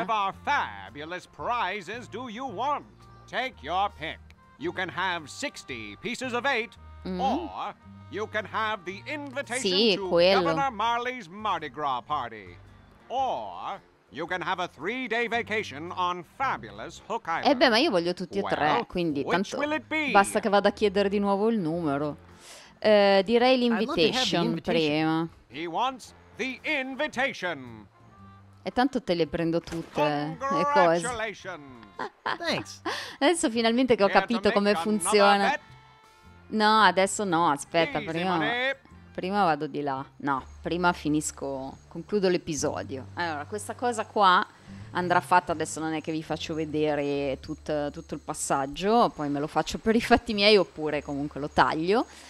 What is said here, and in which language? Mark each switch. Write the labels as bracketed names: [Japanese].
[English] Of our fabulous prizes do you want? Take your pick. You can have 60 pieces of 8, or you can have the invitation [Italian] sì, [English] to [Italian] quello. [English] Governor Marley's Mardi Gras party, or you can have a 3-day vacation on fabulous Hook Island. [Italian] Eh beh, ma io voglio tutti e tre, quindi tanto basta che vada a chiedere di nuovo il numero. Direi l'invitation prima. [English] He wants the invitation. [Italian] E tanto te le prendo tutte le cose. [English] Thanks. [Italian] Adesso finalmente che ho capito come funziona. No, adesso no, aspetta, prima vado di là. No, prima finisco, concludo l'episodio. Allora, questa cosa qua andrà fatta, adesso non è che vi faccio vedere tutto il passaggio, poi me lo faccio per i fatti miei oppure comunque lo taglio.